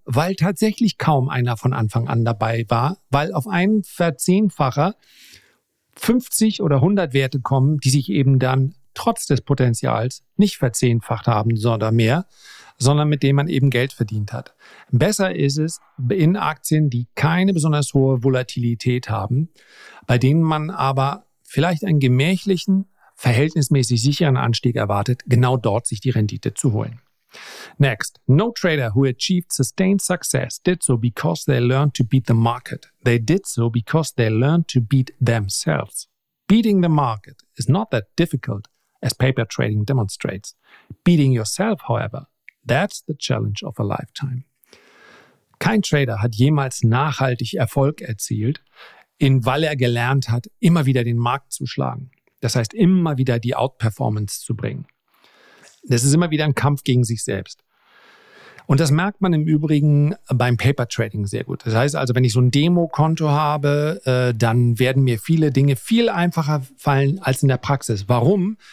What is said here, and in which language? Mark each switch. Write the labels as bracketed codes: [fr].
[de] Weil tatsächlich kaum einer von Anfang an dabei war, weil auf einen Verzehnfacher 50 oder 100 Werte kommen, die sich eben dann trotz des Potenzials nicht verzehnfacht haben, sondern mehr, sondern mit dem man eben Geld verdient hat. Besser ist es in Aktien, die keine besonders hohe Volatilität haben, bei denen man aber vielleicht einen gemächlichen, verhältnismäßig sicheren Anstieg erwartet, genau dort sich die Rendite zu holen. [en] Next, no trader who achieved sustained success did so because they learned to beat the market. They did so because they learned to beat themselves. Beating the market is not that difficult, as paper trading demonstrates. Beating yourself, however, that's the challenge of a lifetime. [de] Kein Trader hat jemals nachhaltig Erfolg erzielt, weil er gelernt hat, immer wieder den Markt zu schlagen. Das heißt, immer wieder die Outperformance zu bringen. Das ist immer wieder ein Kampf gegen sich selbst. Und das merkt man im Übrigen beim Paper Trading sehr gut. Das heißt also, wenn ich so ein Demo-Konto habe, dann werden mir viele Dinge viel einfacher fallen als in der Praxis. Warum?